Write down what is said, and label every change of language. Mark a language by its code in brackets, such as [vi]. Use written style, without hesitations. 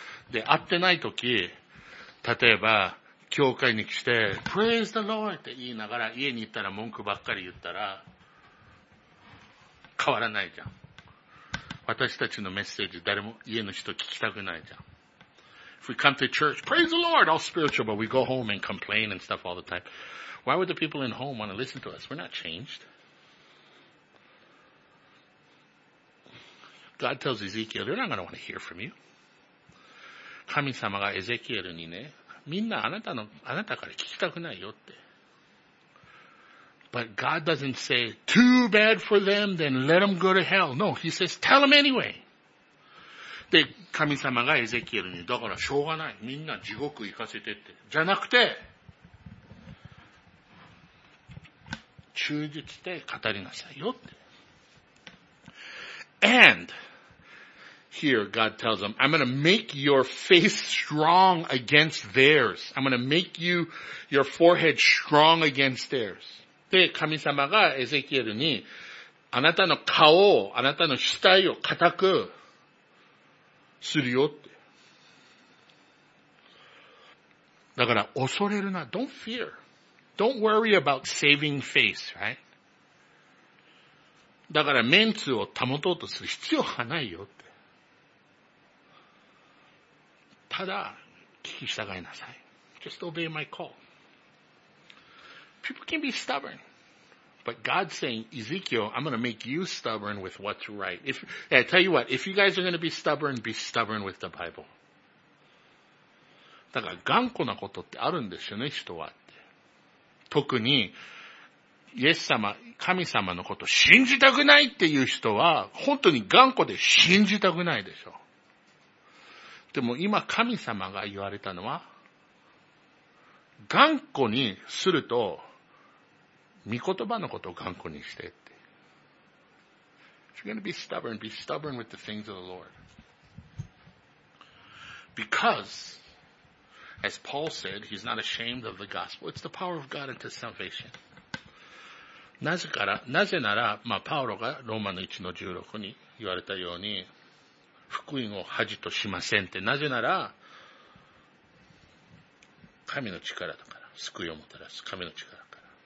[ja] で、会ってないとき、例えば教会に来て、 [en] Praise the Lord! [ja] って言いながら家に行ったら文句ばっかり言ったら、変わらないじゃん。私たちのメッセージ誰も家の人聞きたくないじゃん。 [en] If we come to church, praise the Lord, all spiritual, but we go home and complain and stuff all the time. Why would the people in home want to listen to us? We're not changed. God tells Ezekiel, they're not going to want to hear from you. [ja] 神様がエゼキエルにね、みんなあなたから聞きたくないよって。 [en] But God doesn't say, too bad for them, then let them go to hell. No, he says, tell them anyway. [ja] で、神様がエゼキエルに、だからしょうがない。みんな地獄行かせてって。じゃなくて、忠実で語りなさいよって。 [en] And, here God tells them, I'm gonna make your face strong against theirs. I'm gonna make you, your forehead strong against theirs. [ja] で、神様がエゼキエルに、あなたの顔を、あなたの額を固くするよって。だから、恐れるな。 [en] Don't fear. Don't worry about saving face, right? [ja] だから、メンツを保とうとする必要はないよって。ただ、聞き従いなさい。 [en] Just obey my call. People can be stubborn. But God's saying, Ezekiel, I'm going to make you stubborn with what's right. I tell you what, if you guys are going to be stubborn with the Bible. [ja] だから頑固なことってあるんですよね、人はって。特に、イエス様、神様のこと信じたくないっていう人は、本当に頑固で信じたくないでしょ。でも今神様が言われたのは、頑固にすると、御言葉のことを頑固にしてって。 [en] If you're going to be stubborn, be stubborn with the things of the Lord. Because, as Paul said, he's not ashamed of the gospel. It's the power of God unto salvation. [ja] なぜなら、まあ、パウロがローマの1の16に言われたように、福音を恥としませんって。なぜなら、神の力だから。救いをもたらす神の力だから。